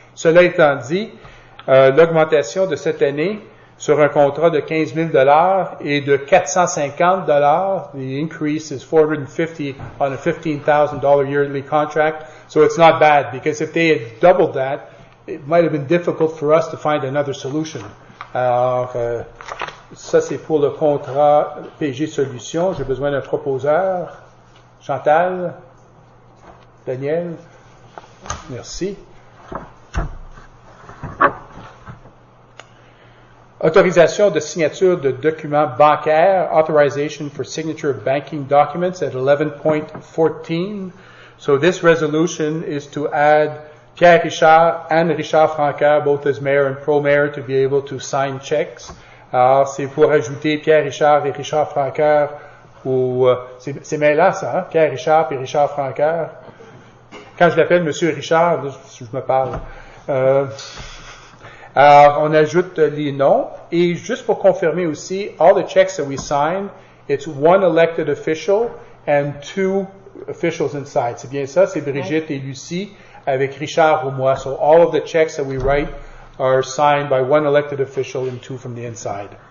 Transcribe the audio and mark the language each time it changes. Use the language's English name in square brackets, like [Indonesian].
[French] Cela étant dit, l'augmentation de cette année sur un contrat de $15,000 et de $450, [English] the increase is $450 on a $15,000 yearly contract. So it's not bad, because if they had doubled that, it might have been difficult for us to find another solution. [French] Alors, ça c'est pour le contrat PG Solutions. J'ai besoin d'un proposeur. Chantal? Daniel? Merci. Autorisation de signature de documents bancaires, [English] authorization for signature of banking documents at 11.14. So this resolution is to add Pierre Richard and Richard Francaire, both as mayor and pro-mayor, to be able to sign checks. [French] Alors, c'est pour ajouter Pierre Richard et Richard Francaire au... C'est bien là, ça, hein? Pierre Richard et Richard Francaire. Quand je l'appelle Monsieur Richard, je me parle. Alors, on ajoute les noms. Et juste pour confirmer aussi, [English] all the checks that we sign, it's one elected official and 2 officials inside. [French] C'est bien ça, c'est Brigitte et Lucie avec Richard ou moi. [English] So all of the checks that we write are signed by 1 elected official and 2 from the inside.